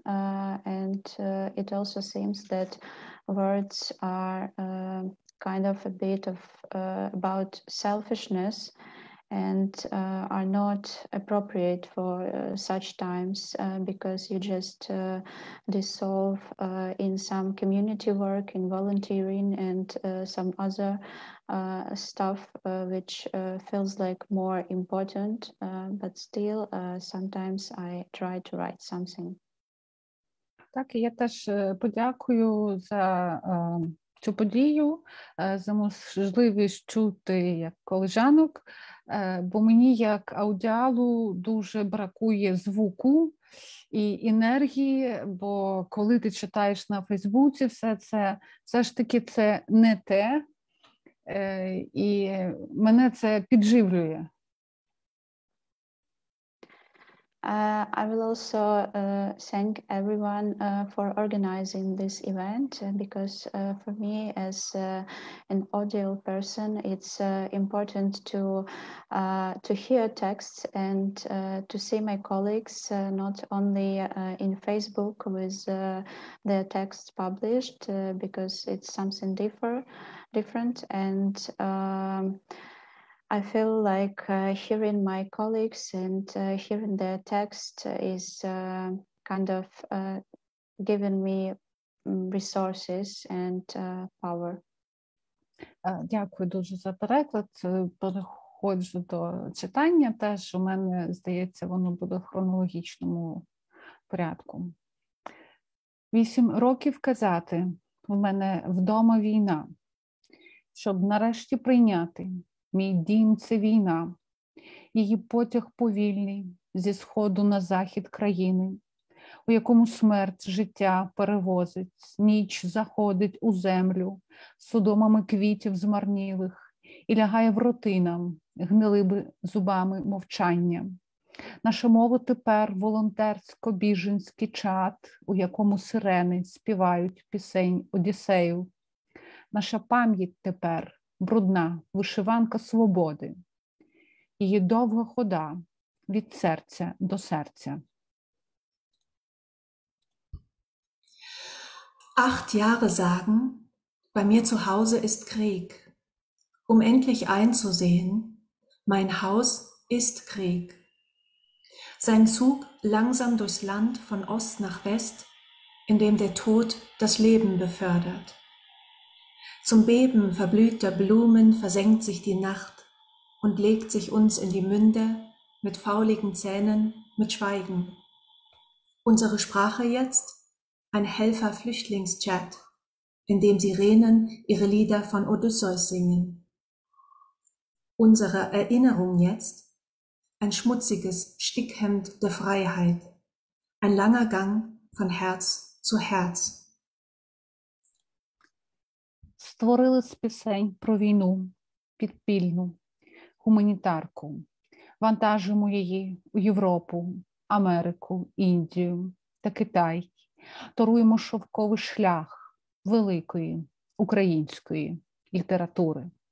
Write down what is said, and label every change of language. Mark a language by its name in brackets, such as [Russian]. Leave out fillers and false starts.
[English] It also seems that words are kind of a bit of about selfishness and are not appropriate for such times because you just dissolve in some community work, in volunteering and some other stuff which feels more important, but still sometimes I try to write something. [Ukrainian] Так, я теж подякую за цю подію, за можливість чути як колежанок, бо мені як аудіалу дуже бракує звуку і енергії, бо коли ти читаєш на Фейсбуці все це, все ж таки це не те, і мене це підживлює. [English] I will also thank everyone for organizing this event, because for me as an audio person, it's important to hear texts and to see my colleagues, not only in Facebook with the text published, because it's something different. And I feel like hearing my colleagues and hearing their text is kind of giving me resources and power. [Ukrainian] Дякую дуже за переклад. Переходжу до читання теж. У мене, здається, воно буде в хронологічному порядку. 8 років казати. У мене вдома війна. Щоб нарешті прийняти. Мій дім – це війна, її потяг повільний зі сходу на захід країни, у якому смерть життя перевозить, ніч заходить у землю судомами квітів змарнілих і лягає в ротинам гнилими зубами мовчання. Наша мова тепер – волонтерсько-біженський чат, у якому сирени співають пісень Одіссею. Наша пам'ять тепер – брудна вишиванка свободи, її довга хода від серця до серця. [German] 8 Jahre sagen, bei mir zu Hause ist Krieg, um endlich einzusehen, mein Haus ist Krieg. Sein Zug langsam durchs Land von Ost nach West, in dem der Tod das Leben befördert. Zum Beben verblühter Blumen versenkt sich die Nacht und legt sich uns in die Münde mit fauligen Zähnen, mit Schweigen. Unsere Sprache jetzt ein Helfer-Flüchtlings-Chat, in dem Sirenen ihre Lieder von Odysseus singen. Unsere Erinnerung jetzt ein schmutziges Stickhemd der Freiheit, ein langer Gang von Herz zu Herz. [Ukrainian] Створили з пісень про війну, підпільну, гуманітарку. Вантажимо її у Європу, Америку, Індію та Китай. Торуємо шовковий шлях великої української літератури.